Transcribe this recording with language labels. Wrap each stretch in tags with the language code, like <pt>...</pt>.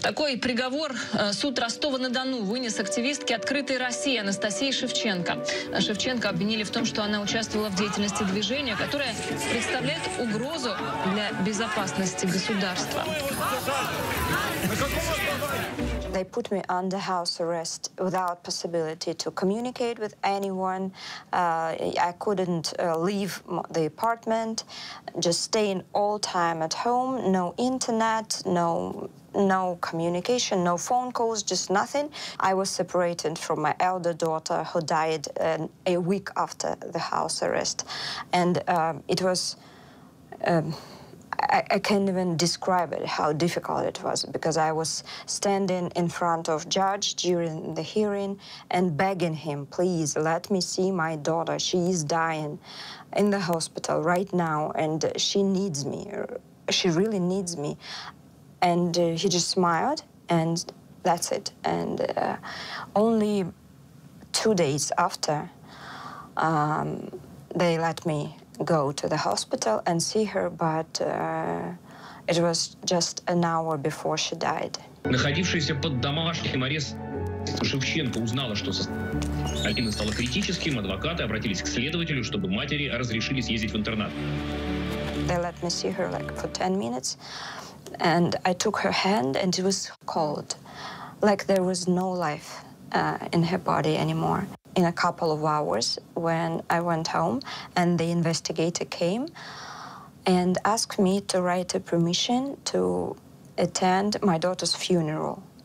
<ru>Такой приговор суд Ростова-на-Дону вынес активистке «Открытой России» Анастасии Шевченко. Шевченко обвинили в том, что она участвовала в деятельности движения, которое представляет угрозу для безопасности государства.</ru> <en>They put me under house arrest without possibility to communicate with anyone. I couldn't leave the apartment, just staying all time at home, no internet, no communication, no phone calls, just nothing. I was separated from my elder daughter who died a week after the house arrest. And it was, I can't even describe it, how difficult it was, because I was standing in front of judge during the hearing and begging him, please let me see my daughter. She is dying in the hospital right now, and she needs me. She really needs me. And he just smiled, and that's it. And only 2 days after, they let me go to the hospital and see her, but It was just an hour before she died.</en> <ru>Находившаяся под домашним арестом Шевченко узнала, что Алина стала критическим. Адвокаты обратились к следователю, чтобы матери разрешили съездить в интернат.</ru> <en>They let me see her like for 10 minutes, and I took her hand, and it was cold, like there was no life in her body anymore. In a couple of hours, when I went home, and the investigator came and asked me to write a permission to attend my daughter's funeral.</en>